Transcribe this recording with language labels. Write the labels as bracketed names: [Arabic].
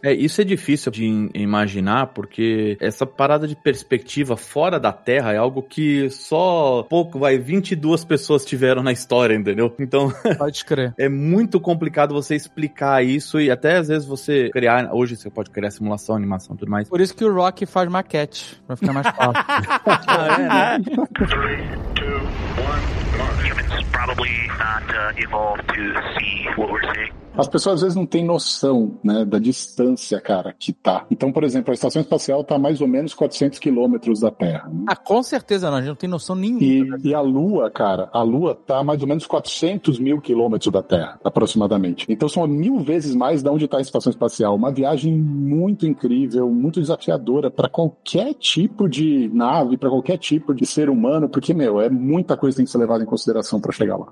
[Portuguese] É, isso é difícil de imaginar, porque essa parada de perspectiva fora da Terra é algo que só pouco, vai, 22 pessoas tiveram na história, entendeu? Então... Pode crer. É muito complicado você explicar isso e até às vezes você criar... Hoje você pode criar simulação, animação e tudo mais. Por isso que o Rock faz maquete, pra ficar mais fácil. 3, 2, [English] 1, go. Probably not evolved to see what we're seeing. [Portuguese] As pessoas às vezes não têm noção, né, da distância, cara, que tá. Então, por exemplo, a estação espacial tá a mais ou menos 400 quilômetros da Terra. Né? Ah, com certeza não, a gente não tem noção nenhuma. E a Lua, cara, a Lua tá a mais ou menos 400 mil quilômetros da Terra, aproximadamente. Então são 1000 vezes mais de onde tá a estação espacial. Uma viagem muito incrível, muito desafiadora pra qualquer tipo de nave, pra qualquer tipo de ser humano, porque, meu, é muita coisa que tem que ser levada em consideração pra chegar lá.